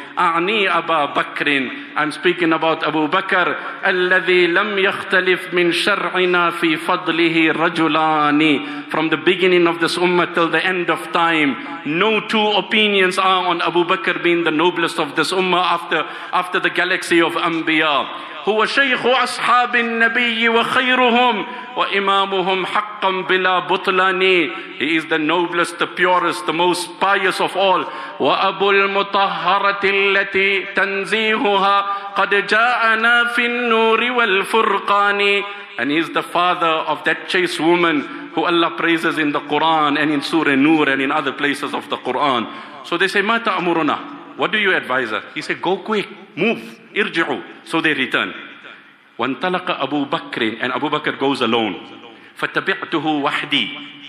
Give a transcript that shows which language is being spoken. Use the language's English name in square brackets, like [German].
[Arabic] A'ni Aba Bakrin. [English] I'm speaking about Abu Bakr. [Arabic] Alladhi lam yakhtalif min shar'ina fi fadlihi rajulani. [English] From the beginning of this ummah till the end of time, no two opinions are on Abu Bakr being the noblest of this ummah after the galaxy of Anbiya. [Arabic] هو شيخ أصحاب النبي وخيرهم وإمامهم حقا بلا بطلان. [English] He is the noblest, the purest, the most pious of all. [Arabic] وأبو المطهرة التي تنزيهها قد جاءنا في النور والفرقان. [English] And he is the father of that chaste woman who Allah praises in the Quran and in Surah Nur and in other places of the Quran. So they say, [Arabic] ما تأمرنا? [English] What do you advise us? He said, go quick, move. [Arabic] Irji'u. [English] So they return. [Arabic] وَانْتَلَقَ أَبُو بَكْرٍ. [English] And Abu Bakr goes alone. [Arabic] فَتَبِعْتُهُ وَحْدِي.